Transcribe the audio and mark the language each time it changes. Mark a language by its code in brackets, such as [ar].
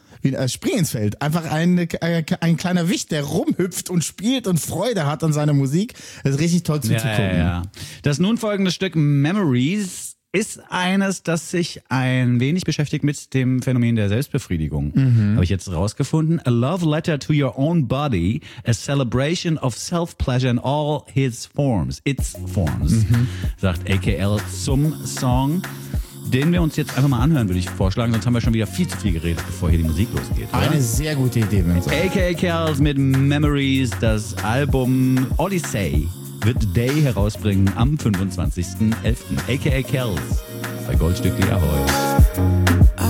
[de] Wie ein Spring ins Feld. Einfach ein kleiner Wicht, der rumhüpft und spielt und Freude hat an seiner Musik. Das ist richtig toll zuzugucken. Ja, ja, ja. Das nun folgende Stück Memories ist eines, das sich ein wenig beschäftigt mit dem Phänomen der Selbstbefriedigung. Mhm. Habe ich jetzt rausgefunden. [en] A love letter to your own body, a celebration of self-pleasure in all its forms. Its forms, [de] sagt AKL zum Song. den wir uns jetzt einfach mal anhören, würde ich vorschlagen. Sonst haben wir schon wieder viel zu viel geredet, bevor hier die Musik losgeht. Oder? Eine sehr gute Idee, wenn ich sage. AKA Kells mit Memories, das Album Odyssey wird Day herausbringen am 25.11. AKA Kells bei Goldstück, die Ahoi.